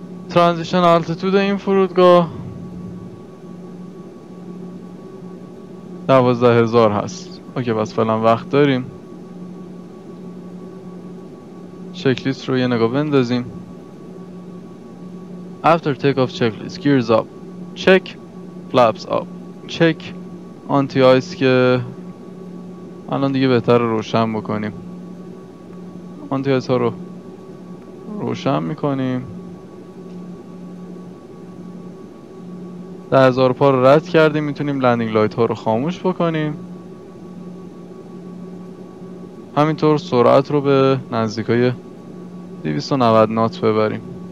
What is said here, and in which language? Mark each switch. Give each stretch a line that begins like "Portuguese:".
Persian: ترانزیشن آلتیتود این فرودگاه 12000 هست. اوکی، بس فعلا وقت داریم. چکلیست رو یه نگاه بندازیم.
English: After takeoff checklist, gears up, check, flaps up, check, anti-ice
Persian: که الان دیگه بهتر روشن بکنیم. Anti-ice ها رو روشن میکنیم. 10000 پا رو رد کردیم، میتونیم لندینگ لایت ها رو خاموش بکنیم. همینطور سرعت رو به نزدیکای 290 نات ببریم.